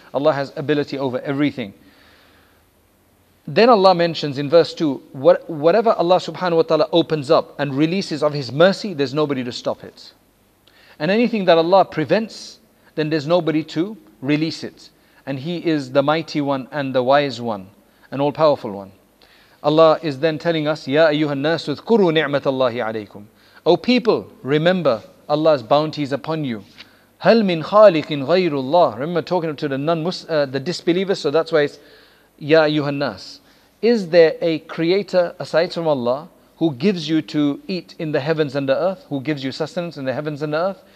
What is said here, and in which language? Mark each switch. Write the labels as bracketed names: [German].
[English] Allah has ability over everything. Then Allah mentions in verse 2, whatever Allah subhanahu wa ta'ala opens up and releases of his mercy, there's nobody to stop it. And anything that Allah prevents, then there's nobody to release it. And he is the mighty one and the wise one and all-powerful one. Allah is then telling us, [Arabic] يَا أَيُّهَا النَّاسُ اذْكُرُوا نِعْمَةَ اللَّهِ عَلَيْكُمْ. [English] O people, remember Allah's bounties upon you. [Arabic] هَلْ مِنْ خَالِقٍ غَيْرُ اللَّهِ. [English] Remember talking to the disbelievers, so that's why it's [Arabic] يَا أَيُّهَا النَّاسُ. [English] Is there a creator aside from Allah who gives you to eat in the heavens and the earth, who gives you sustenance in the heavens and the earth?